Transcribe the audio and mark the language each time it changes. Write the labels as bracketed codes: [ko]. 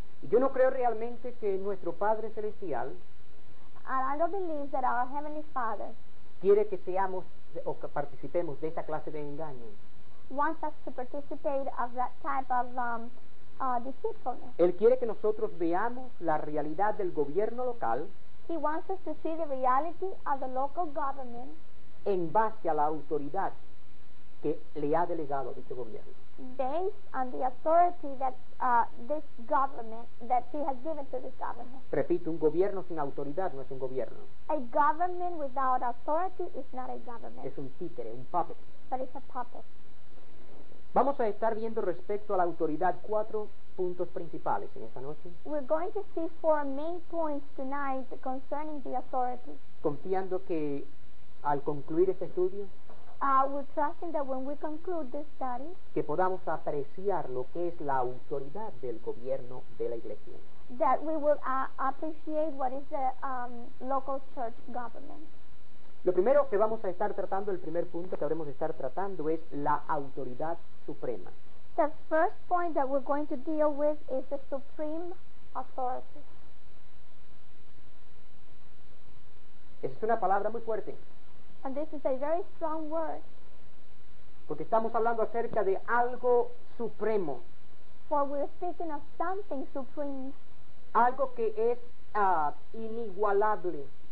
[es] Yo no creo realmente que nuestro Padre Celestial, [en] and I don't believe that our Heavenly Father, [es] quiere que seamos o que participemos de esa clase de engaño. [en] Wants us to participate of that type of deceitfulness. [es] Él quiere que nosotros veamos la realidad del gobierno local. [en] He wants us to see the reality of the local government. [es] En base a la autoridad que le ha delegado dicho gobierno. [en] Based on the authority that this government, that he has given to this government. [es] Repito, un gobierno sin autoridad no es un gobierno. [en] A government without authority is not a government. [es] Es un títere, un puppet. [en] But it's a puppet. [es] Vamos a estar viendo respecto a la autoridad cuatro puntos principales en esta noche. [en] We're going to see four main points tonight concerning the authority. [es] Confiando que al concluir este estudio, [en] we're trusting that when we conclude this study, [es] que podamos apreciar lo que es la autoridad del gobierno de la iglesia. [en] That we will appreciate what is the local church government. [es] Lo primero que vamos a estar tratando, el primer punto que habremos de estar tratando, es la autoridad suprema. [en] The first point that we're going to deal with is the supreme authority. [es] Esa es una palabra muy fuerte. [en] And this is a very strong word. [es] Porque estamos hablando acerca de algo supremo. [en] For we're speaking of something supreme. [es] Algo que es inigualable.